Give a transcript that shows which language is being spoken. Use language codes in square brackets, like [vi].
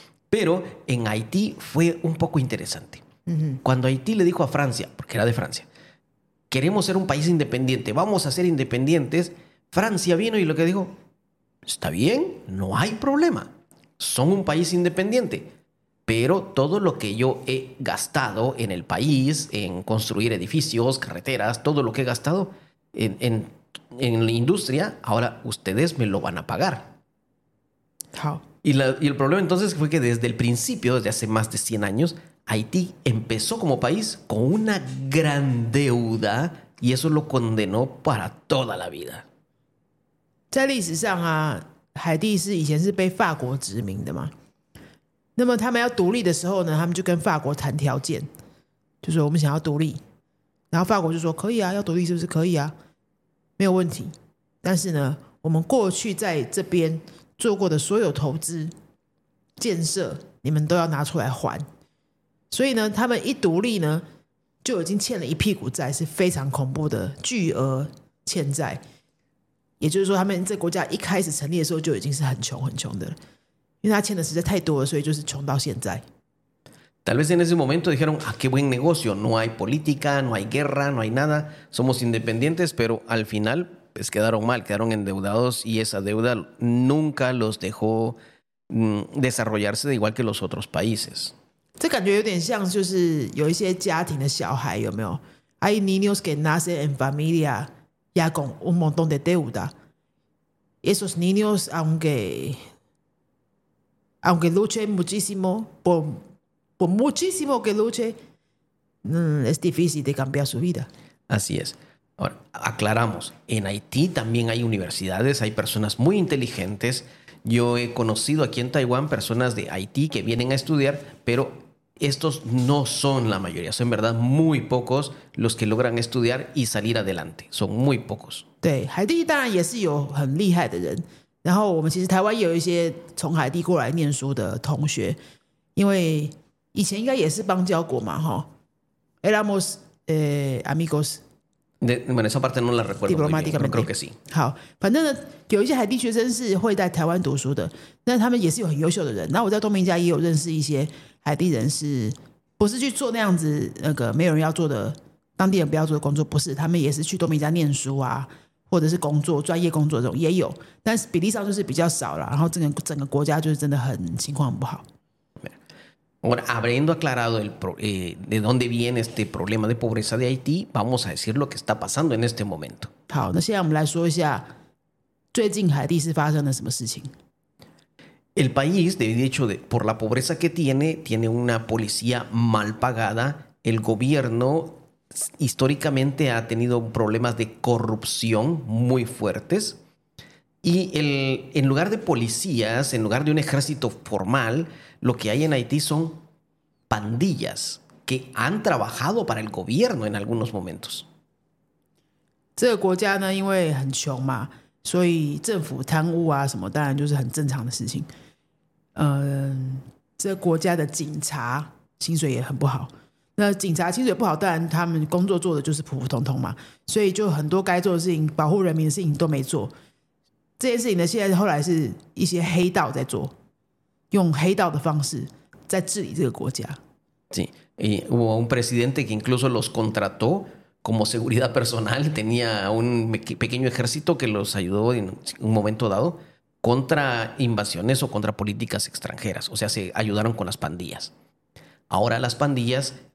[es] Pero en Haití fue un poco interesante. Cuando Haití le dijo a Francia, porque era de Francia, queremos ser un país independiente, vamos a ser independientes, Francia vino y lo que dijo, está bien, no hay problema, son un país independiente, pero todo lo que yo he gastado en el país, en construir edificios, carreteras, todo lo que he gastado en la industria, ahora ustedes me lo van a pagar. [en] How? [es] Y el problema entonces fue que desde el principio, desde hace más de 100 años, Haití empezó como país con una gran deuda y eso lo condenó para toda la vida. [zh] 在历史上啊，海地是以前是被法国殖民的嘛。那么他们要独立的时候呢，他们就跟法国谈条件，就说我们想要独立。然后法国就说可以啊，要独立是不是可以啊？没有问题。但是呢，我们过去在这边做过的所有投资建设，你们都要拿出来还。所以呢，他们一独立呢，就已经欠了一屁股债，是非常恐怖的巨额欠债。也就是说，他们这国家一开始成立的时候就已经是很穷很穷的了，因为他欠的实在太多了，所以就是穷到现在。 [es] Tal vez en ese momento dijeron, ah, qué buen negocio, no hay política, no hay guerra, no hay nada, somos independientes, pero al final pues quedaron mal, quedaron endeudados y esa deuda nunca los dejó desarrollarse de igual que los otros países. [zh] 这感觉有点像就是有一些家庭的小孩，有没有？ [es] Hay niños que nacen en familia. Ya con un montón de deuda. Esos niños, aunque luchen muchísimo, por muchísimo que luchen, es difícil de cambiar su vida. Así es. Ahora, aclaramos, en Haití también hay universidades, hay personas muy inteligentes. Yo he conocido aquí en Taiwán personas de Haití que vienen a estudiar, pero... Estos no son la mayoría, son en verdad muy pocos los que logran estudiar y salir adelante. Son muy pocos. [zh] 对，海地当然也是有很厉害的人。然后我们其实台湾有一些从海地过来念书的同学，因为以前应该也是邦交国嘛，哈。 [es] Éramos amigos. Bueno, esa parte no la recuerdo. Diplomáticamente, creo que sí. [zh] 好，反正呢，有一些海地学生是会在台湾读书的，那他们也是有很优秀的人。那我在东明家也有认识一些。海地人是不是去做那样子那个没有人要做的当地人不要做的工作？不是，他们也是去多米加念书啊，或者是工作专业工作这种也有，但是比例上就是比较少了。然后整个国家就是真的很情况很不好。 [es] Bueno, habiendo aclarado de dónde viene este problema de pobreza de Haití, vamos a decir lo que está pasando en este momento. [zh] 好，那现在我们来说一下最近海地是发生了什么事情。 [es] El país, de hecho, por la pobreza que tiene, tiene una policía mal pagada. El gobierno históricamente ha tenido problemas de corrupción muy fuertes. Y en lugar de policías, en lugar de un ejército formal, lo que hay en Haití son pandillas que han trabajado para el gobierno en algunos momentos. Este país, porque es muy pobre, así que el gobierno de la corrupción es muy normal. [zh] ¿这国家的警察薪水也很不好，那警察薪水不好，当然他们工作做的就是普普通通嘛，所以就很多该做的事情，保护人民的事情都没做。这件事情呢，现在后来是一些黑道在做，用黑道的方式在治理这个国家。 [es] Sí, y hubo un presidente que incluso los contrató como seguridad personal, tenía un pequeño ejército que los ayudó en un momento dado. Contra invasiones o contra políticas extranjeras. O sea, se ayudaron con las pandillas. Ahora las pandillas